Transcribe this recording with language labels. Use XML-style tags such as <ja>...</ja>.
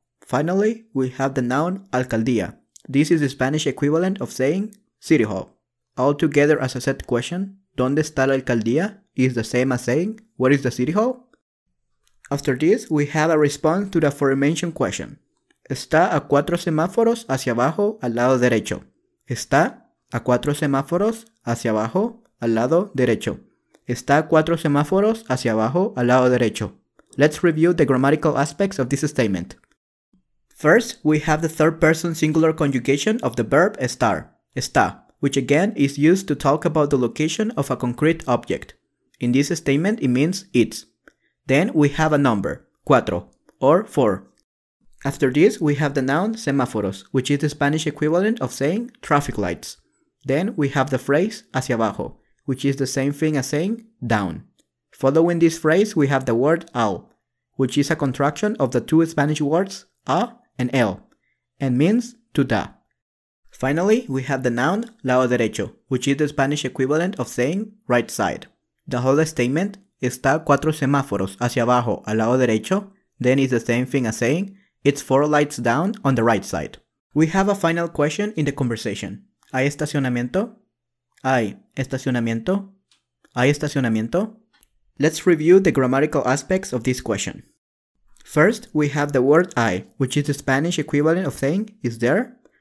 <en>Finally, we have the noun alcaldía. This is the Spanish equivalent of saying city hall. Altogether as a set question,</en> <es>¿dónde está la alcaldía?</es> <en>Is the same as saying, where is the city hall? After this, we have a response to the aforementioned question.</en> <es>¿Está a cuatro semáforos hacia abajo al lado derecho? ¿Está a cuatro semáforos hacia abajo al lado derecho? ¿Está a cuatro semáforos hacia abajo al lado derecho?</es> <en>Let's review the grammatical aspects of this statement. First, we have the third-person singular conjugation of the verb estar, está, which again is used to talk about the location of a concrete object. In this statement, it means it's. Then we have a number, cuatro, or four. After this, we have the noun semáforos, which is the Spanish equivalent of saying traffic lights. Then we have the phrase hacia abajo, which is the same thing as saying down. Following this phrase, we have the word al, which is a contraction of the two Spanish words a and el, and means to da. Finally, we have the noun lado derecho, which is the Spanish equivalent of saying right side. The whole statement,</en> <es>Está cuatro semáforos hacia abajo al lado derecho.</es> <en>Then it's the same thing as saying, it's four lights down on the right side. We have a final question in the conversation.</en> <es>¿Hay estacionamiento? ¿Hay estacionamiento? ¿Hay estacionamiento?</es> <en>Let's review the grammatical aspects of this question. First, we have the word hay, which is the Spanish equivalent of saying, is there?</en>